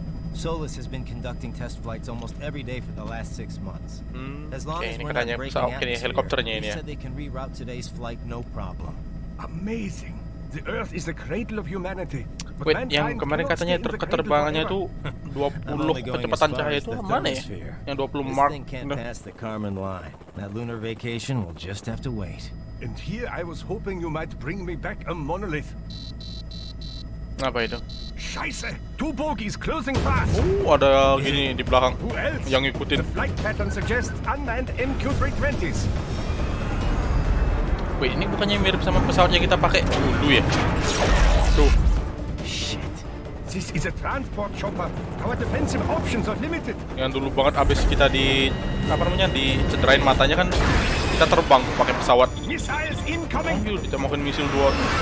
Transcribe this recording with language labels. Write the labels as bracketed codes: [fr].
[en] Solus has been conducting test flights almost every day for the last 6 months. As long as we're not breaking atmosphere, he said they can reroute today's flight no problem. Amazing! The Earth is the cradle of humanity. [id] Wait, yang kemarin katanya keterbangannya itu 20 kecepatan cahaya itu mana ya? Yang 20 mark. [en] This thing can't pass the Kármán line. That lunar vacation will just have to wait. And here I was hoping you might bring me back a monolith. [id] Apa itu? [de] Scheiße! [en] Two bogies closing fast. [id] Ada gini di belakang yang ngikutin. [en] Flight pattern suggests unmanned MQ-320s. [id] Wih, ini bukannya mirip sama pesawat yang kita pakai dulu ya? Tuh. [en] Shit. This is a transport chopper. Our defensive options are limited. [id] Yang dulu banget abis kita di apa namanya? Dicederain matanya kan kita terbang pakai pesawat. [en] Missiles incoming. [id] Oh, kita mungkin misil dua.